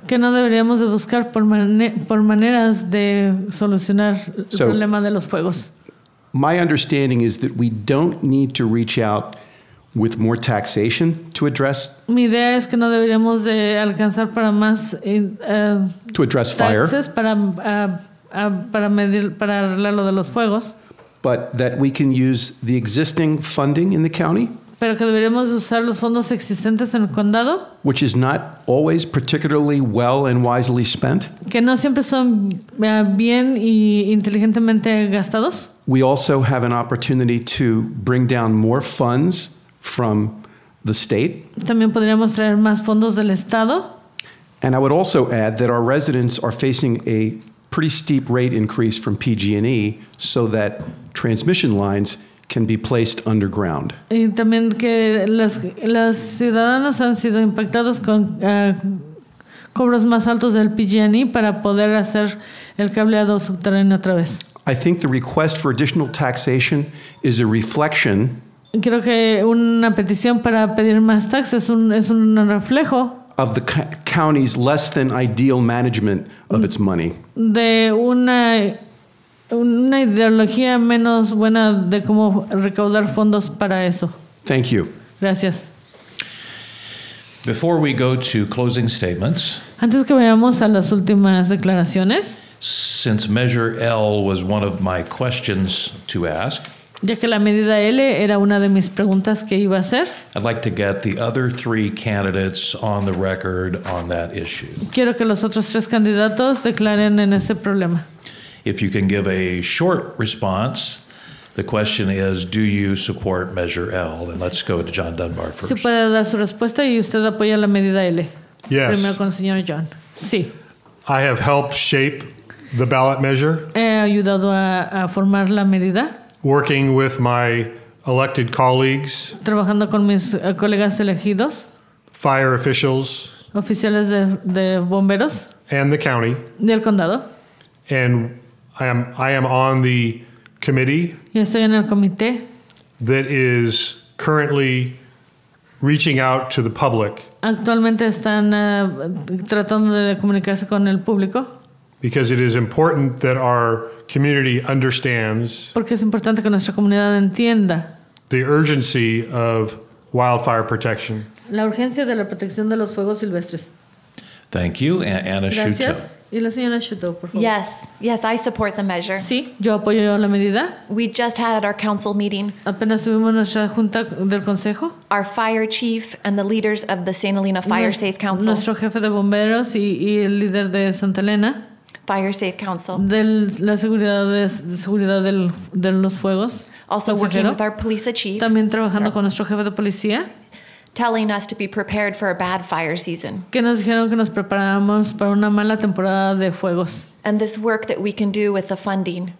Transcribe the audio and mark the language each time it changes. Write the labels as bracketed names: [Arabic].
[Spanish] Que no deberíamos de buscar por maneras de solucionar el problema de los fuegos. [English] My understanding is that we don't need to reach out with more taxation to address. [Spanish] Mi idea es que no deberíamos de alcanzar para más [English] to address fire. [Spanish] Taxes para medir para arreglar lo de los fuegos. [English] But that we can use the existing funding in the county. [Spanish] Pero que deberíamos usar los fondos existentes en el condado. [English] Which is not always particularly well and wisely spent. [Spanish] Que no siempre son bien y inteligentemente gastados. [English] We also have an opportunity to bring down more funds from the state. [Spanish] También podríamos traer más fondos del estado. [English] And I would also add that our residents are facing a pretty steep rate increase from PG&E so that transmission lines can be placed underground. [Spanish] Y también que los ciudadanos han sido impactados con cobros más altos del PG&E para poder hacer el cableado subterráneo otra vez. [English] I think the request for additional taxation is a reflection. [Spanish] Creo que una petición para pedir más taxes es un reflejo [English] of the county's less than ideal management of its money. [Spanish] De una ideología menos buena de cómo recaudar fondos para eso. [English] Thank you. [Spanish] Gracias. [English] Before we go to closing statements, [Spanish] antes que vayamos a las últimas declaraciones, [English] since Measure L was one of my questions to ask, [Spanish] ya que la medida L era una de mis preguntas que iba a hacer, [English] I'd like to get the other three candidates on the record on that issue. [Spanish] Quiero que los otros tres candidatos declaren en ese problema. [English] If you can give a short response, the question is, do you support Measure L? And let's go to John Dunbar first. [Spanish] Si puede dar su respuesta y usted apoya la medida L. [English] Yes. [Spanish] Primero con el señor John. Sí. [English] I have helped shape the ballot measure. [Spanish] He ayudado a formar la medida. [English] Working with my elected colleagues. [Spanish] Trabajando con mis colegas elegidos. [English] Fire officials. [Spanish] Oficiales de bomberos. [English] And the county. [Spanish] Del condado. [English] And I am on the committee. [Spanish] Y estoy en el comité. [English] That is currently reaching out to the public. [Spanish] Actualmente están tratando de comunicarse con el público. [English] Because it is important that our community understands. [Spanish] Porque es importante que nuestra comunidad entienda. [English] The urgency of wildfire protection. [Spanish] La urgencia de la protección de los fuegos silvestres. [English] Thank you, Anna Shuto. [Spanish] Gracias. Y la señora Shuto, por favor. [English] Yes. Yes, I support the measure. [Spanish] Sí, yo apoyo la medida. [English] We just had our council meeting. [Spanish] Apenas tuvimos nuestra junta del consejo. [English] Our fire chief and the leaders of the Santa Elena Fire Safe Council. [Spanish] Nuestro jefe de bomberos y el líder de Santa Elena. [English] Fire Safe Council. [Spanish] Del, la seguridad de seguridad del, de los fuegos. [English] Also [Spanish] consejero. [English] Working with our police chief. [Spanish] También trabajando con nuestro jefe de policía. [English] Telling us to be prepared for a bad fire season. [Spanish] Que nos dijeron que nos preparamos para una mala temporada de fuegos. [English] And this work that we can do with the funding.